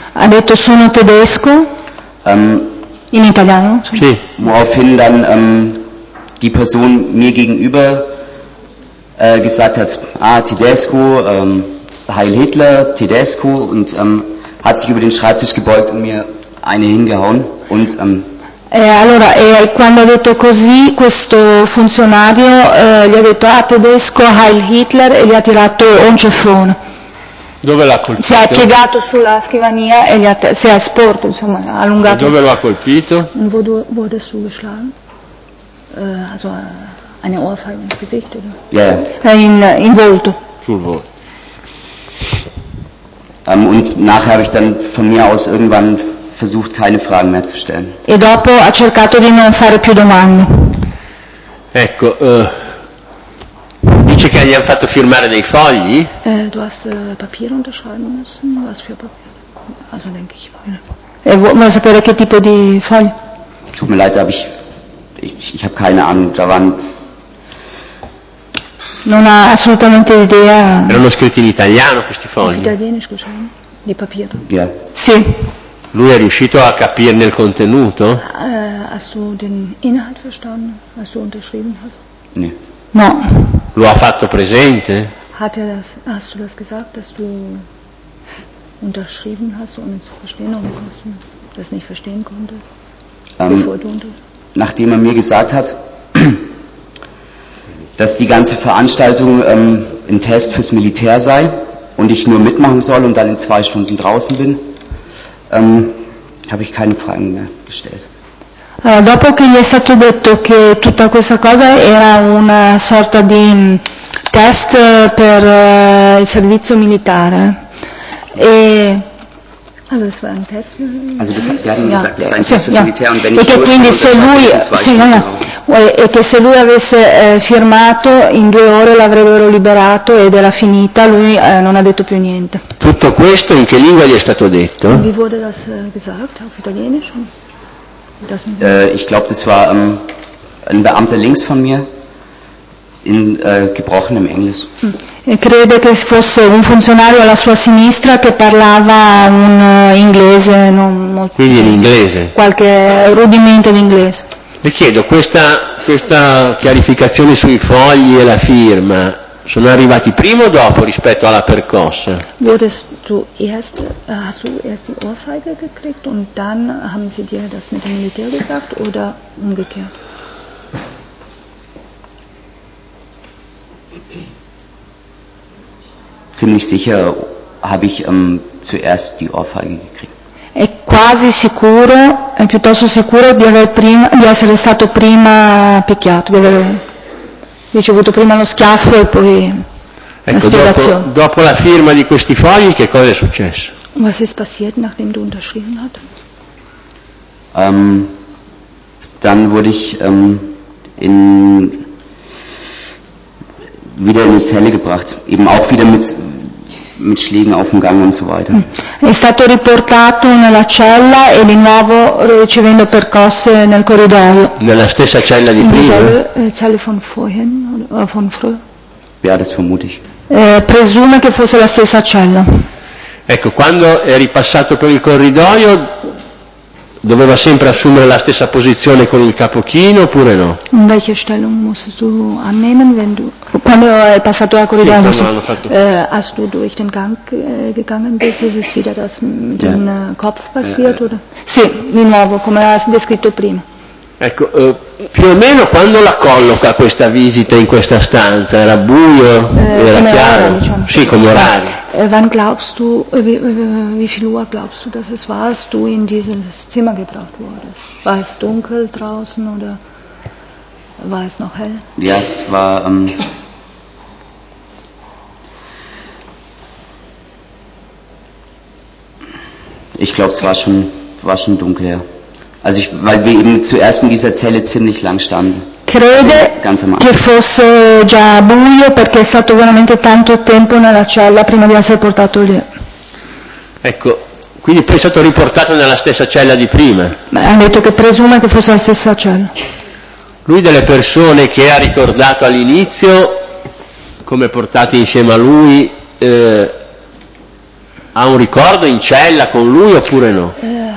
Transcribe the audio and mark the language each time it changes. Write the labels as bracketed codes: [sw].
[it] Ha detto, sono tedesco. In italiano. Sì. [de] Woraufhin dann die Person mir gegenüber gesagt hat, ah, Tedesco, Heil Hitler, Tedesco, und hat sich über den Schreibtisch gebeugt und mir eine hingehauen. Und [it] allora, quando ha detto così, questo funzionario gli ha detto, ah, Tedesco, Heil Hitler, e gli ha tirato un ceffone. Dove l'ha colpito? Si è piegato sulla scrivania e si è sporto, insomma, ha allungato. E dove l'ha colpito? [de] Wo hat er zugeschlagen? Also eine Ohrfeige ins Gesicht, oder? [en] Yeah. [it] In volto. Sul volto. [de] Und nachher habe ich dann von mir aus irgendwann versucht, keine Fragen mehr zu stellen. [it] E dopo ha cercato di non fare più domande. Ecco, dice che gli hanno fatto firmare dei fogli? [de] Du hast Papier unterschreiben müssen. Was für Papier? Also denke ich. [it] E vuoi sapere che tipo di fogli? [de] Tut mir leid, aber ich habe keine Ahnung. Da waren. [it] Non ha assolutamente idea. Erano scritti in italiano questi fogli? Italiano, scusa, di papiro. [en] Yeah. [it] Sì. Lui è riuscito a capirne il contenuto? [de] Hast du den Inhalt verstanden, was du unterschrieben hast? Nee. [it] No. Lo ha fatto presente? [de] Hast du das gesagt, dass du unterschrieben hast, ohne zu verstehen, ohne dass du das nicht verstehen konnte, bevor du Nachdem er mir gesagt hat, dass die ganze Veranstaltung ein Test fürs Militär sei und ich nur mitmachen soll und dann in 2 Stunden draußen bin, habe ich keine Fragen mehr gestellt. [it] Dopo che gli è stato detto che tutta questa cosa era una sorta di test per il servizio militare, e [de] also es war ein Test. Also das hat gerne gesagt, es ist ein Test fürs Militär, und wenn [it] e [de] ich [it] los, quindi se lui, sì, e che se lui avesse firmato in 2 ore l'avrebbero liberato ed era finita, lui non ha detto più niente. Tutto questo in che lingua gli è stato detto? [de] Wie wurde das gesagt? Auf Italienisch? Ich glaube, das war ein Beamter links von mir in gebrochenem Englisch. [it] Crede che fosse un funzionario alla sua sinistra che parlava un inglese non molto. Quindi in inglese. Qualche rudimento di inglese. Le chiedo, questa chiarificazione sui fogli e la firma sono arrivati prima o dopo rispetto alla percossa? [de] Wurdest du erst, hast du erst die Ohrfeige gekriegt und dann haben sie dir das mit dem Militär gesagt oder umgekehrt? Ziemlich sicher habe ich zuerst die Ohrfeige gekriegt. [it] È quasi sicuro, è piuttosto sicuro di essere stato prima picchiato, di aver ricevuto prima lo schiaffo e poi ecco, la spiegazione. Dopo la firma di questi fogli, che cosa è successo? [de] Was ist passiert, nachdem du unterschrieben hast? Dann wurde ich wieder in die Zelle gebracht, eben auch wieder mit Schlägen auf dem Gang und so weiter. [it] È stato riportato nella cella e di nuovo ricevendo percosse nel corridoio. Nella stessa cella di prima? Nella [de] cella von vorhin oder von früher? Ja, das vermute ich. [it] Presume che fosse la stessa cella. Ecco, quando è ripassato per il corridoio doveva sempre assumere la stessa posizione con il capochino oppure no? [de] In welche Stellung musstest du annehmen, wenn du [it] quando è passato al corridoio? Sì, [de] hast du durch den Gang gegangen bist, ist es wieder das mit dem Kopf passiert oder? [it] Sì, di nuovo come ha descritto prima. Ecco, più o meno quando la colloca questa visita in questa stanza, era buio, era come chiaro? Orario, diciamo. Sì, come orario. [de] Wann glaubst du, wie viel Uhr glaubst du, dass es war, als du in dieses Zimmer gebracht wurdest? War es dunkel draußen oder war es noch hell? Ja, es war ich glaube, es war schon dunkel, ja. Also weil wir eben zuerst in dieser Zelle ziemlich lang standen. [it] Crede che fosse già buio perché è stato veramente tanto tempo nella cella prima di essere portato lì. Ecco, quindi poi è stato riportato nella stessa cella di prima. Ma ha detto che presume che fosse la stessa cella. Lui delle persone che ha ricordato all'inizio, come portati insieme a lui, ha un ricordo in cella con lui oppure no?